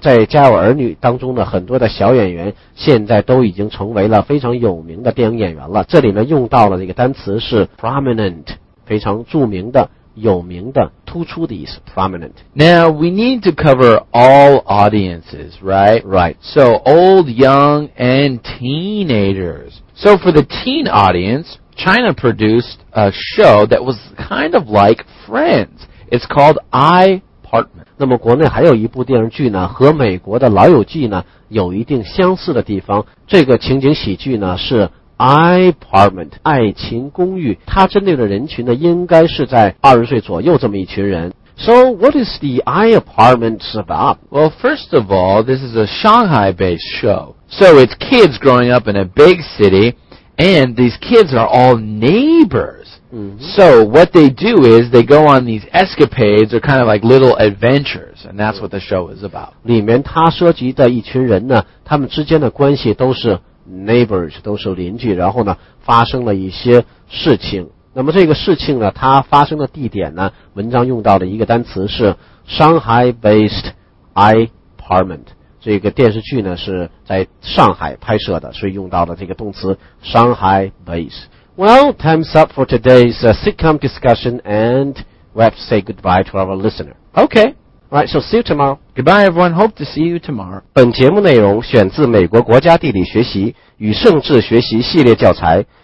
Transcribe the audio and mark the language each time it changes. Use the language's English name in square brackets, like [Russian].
[Chinese] 在家有儿女当中呢，很多的小演员现在都已经成为了非常有名的电影演员了。这里面用到了这个单词是 prominent， 非常著名的、有名的、突出的意思 prominent. [English] Now, we need to cover all audiences, right? Right. So, old, young, and teenagers. So, for the teen audience, China produced a show that was kind of like Friends. It's called iPartment. [Chinese] 那么国内还有一部电视剧呢，和美国的老友记呢有一定相似的地方。这个情景喜剧呢是 iPartment， 爱情公寓。它针对的人群呢应该是在20岁左右这么一群人。 [English] So what is the iApartment about? Well, first of all, this is a Shanghai-based show. So it's kids growing up in a big city, and these kids are all neighbors. So what they do is they go on these escapades or kind of like little adventures, and that's what the show is about. [Chinese] 里面他涉及的一群人呢，他们之间的关系都是 neighbors， 都是邻居，然后呢发生了一些事情。那么这个事情呢，它发生的地点呢，文章用到的一个单词是 [English] Shanghai based apartment。 [Chinese] 这个电视剧呢是在上海拍摄的，所以用到了这个动词 Shanghai based。 [English] Well, time's up for today's sitcom discussion, and we have to say goodbye to our listener. Okay. All right, so see you tomorrow. Goodbye, everyone. Hope to see you tomorrow. [Chinese] 本节目内容选自美国国家地理学习与政治学习系列教材。